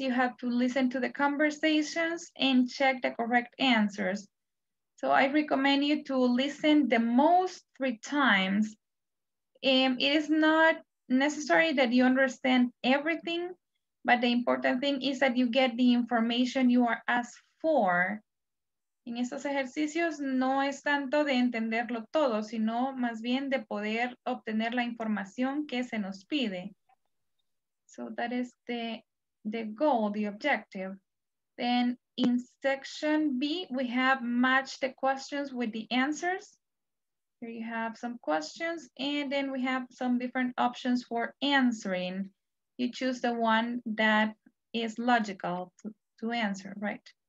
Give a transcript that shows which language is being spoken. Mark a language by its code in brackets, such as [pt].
[en] You have to listen to the conversations and check the correct answers. So I recommend you to listen the most three times. It is not necessary that you understand everything, but the important thing is that you get the information you are asked for. [es] En estos ejercicios no es tanto de entenderlo todo, sino más bien de poder obtener la información que se nos pide. [en] So that is the goal, the objective. Then in section B, we have match the questions with the answers. Here you have some questions and then we have some different options for answering. You choose the one that is logical to answer, right?